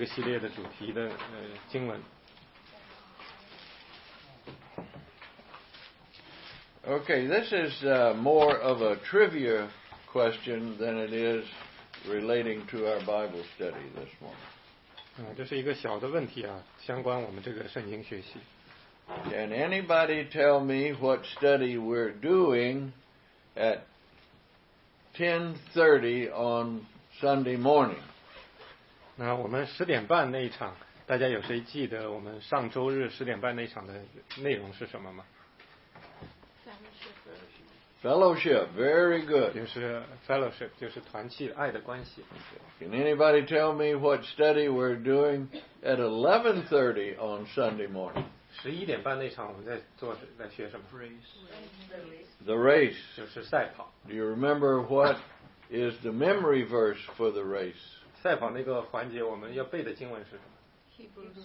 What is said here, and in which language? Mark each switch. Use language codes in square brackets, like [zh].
[zh] 约翰福音九章是我们的这个系列的主题的经文。 [en] Okay, this is more of a trivia question than it is relating to our Bible study this morning. [zh] 这是一个小的问题啊，相关我们这个圣经学习。 [en] Can anybody tell me what study we're doing at 10:30 on Sunday morning? [zh] 那我们10点半那一场，大家有谁记得我们上周日10点半那一场的内容是什么吗？ [en] Fellowship, very good. [zh] 就是 fellowship, 就是团契爱的关系。 [en] Can anybody tell me what study we're doing at 11:30 on Sunday morning? [zh] 11点半那场我们在做在学什么 [en] race. The race. [zh] 就是赛跑。 [en] Do you remember what is the memory verse for the race? [zh] 赛跑那个环节我们要背的经文是什么